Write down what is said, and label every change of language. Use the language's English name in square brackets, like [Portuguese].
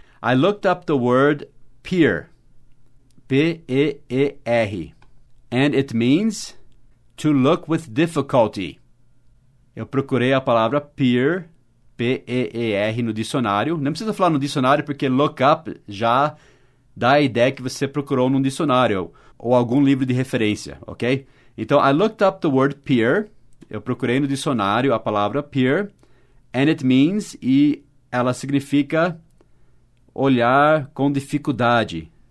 [English] I looked up the word peer. P-E-E-R. And it means to look with difficulty. [Portuguese] Eu procurei a palavra peer, P-E-E-R, no dicionário. Não precisa falar no dicionário, porque look up já dá a ideia que você procurou num dicionário ou algum livro de referência, ok? [English] Então, I looked up the word peer. [Portuguese] Eu procurei no dicionário a palavra peer. [English] And it means... [Portuguese] Ela significa olhar com dificuldade.